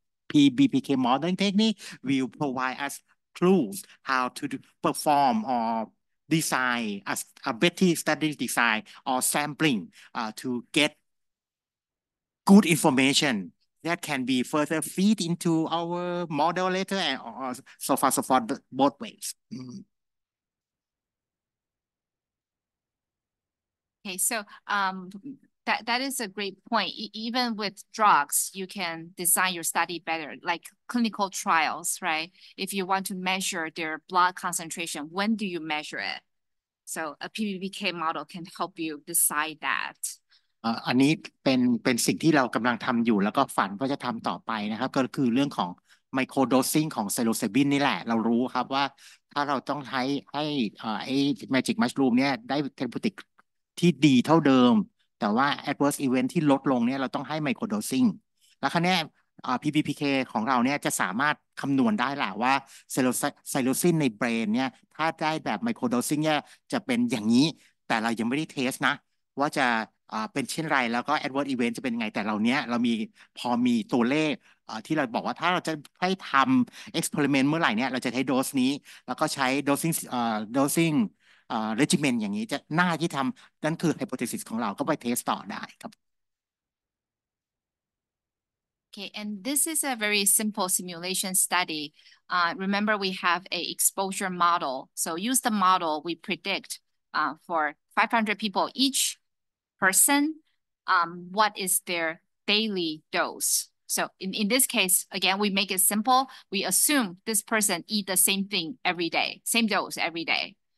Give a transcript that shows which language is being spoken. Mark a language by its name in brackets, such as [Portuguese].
[English] PBPK modeling technique will provide usclues how to perform or design a better study design or sampling to get good information that can be further feed into our model later and so far so forth both ways. Okay, so that is a great point. Even with drugs, you can design your study better, like clinical trials, right? If you want to measure their blood concentration, when do you measure it? So a PBPK model can help you decide that. [Thai] อันนี้เป็นสิ่งที่เรากำลังทำอยู่แล้วก็ฝันว่าจะทำต่อไปนะครับก็คือเรื่องของไมโครโดซิ่งของไซโลเซบินนี่แหละเรารู้ครับว่าถ้าเราต้องใช้ให้ไอ้ magic mushroom เนี่ยได้เทอร์โพติกที่ดีเท่าเดิมแต่ว่า adverse event ที่ลดลงเนี่ยเราต้องให้ไมโครโดซิ่งแล้วคราวนี้ PBPK ของเราเนี่ยจะสามารถคำนวณได้แหละว่าไซโลซินในเบรนเนี่ยถ้าได้แบบไมโครโดซิ่งเนี่ยจะเป็นอย่างนี้แต่เรายังไม่ได้เทสนะว่าจะเป็นเช่นไรแล้วก็ adverse event จะเป็นไงแต่เราเนี้ยเรามีพอมีตัวเลขที่เราบอกว่าถ้าเราจะให้ทำ experiment เมื่อไหร่เนี่ยเราจะใช้โดสนี้แล้วก็ใช้โดซิ่งregimen อย่างนี้จะหน้าที่ทำนั่นคือ hypothesis ของเราก็ไปเทสต่อได้ครับ [English] Okay, and this is a very simple simulation study. Remember, we have a exposure model. So use the model we predict for 500 people each person. What is their daily dose? So in this case, again, we make it simple. We assume this person eat the same thing every day, same dose every day.